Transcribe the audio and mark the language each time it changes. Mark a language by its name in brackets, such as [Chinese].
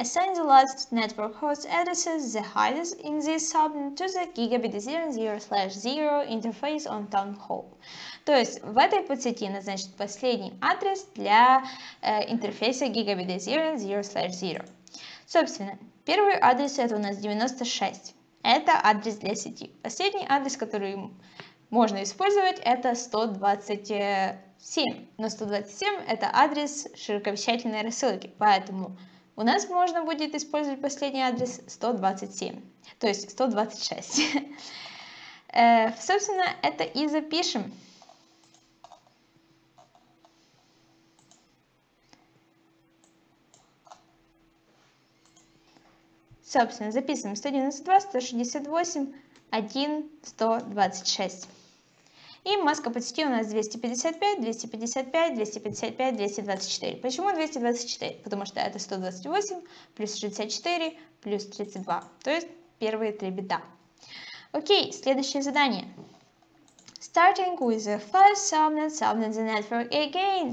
[English] Assign the last network host addresses, the highest in this subnet, to the gigabit 0.0/0 interface on town hall. [Russian] То есть в этой подсети назначит последний адрес для интерфейса gigabit 0.0/0. Собственно, первый адрес это у нас 96. Это адрес для сети. Последний адрес, который можно использовать, это 127, но 127 это адрес широковещательной рассылки, поэтому у нас можно будет использовать последний адрес 127, то есть 126. Собственно, это и запишем. Собственно, записываем 192.168.1.126. И маска по сети у нас 255, 255, 255, 224. Почему 224? Потому что это 128 плюс 64 плюс 32. То есть первые три бита. Окей, следующее задание. [English] Starting with the first subnet, subnet the network again.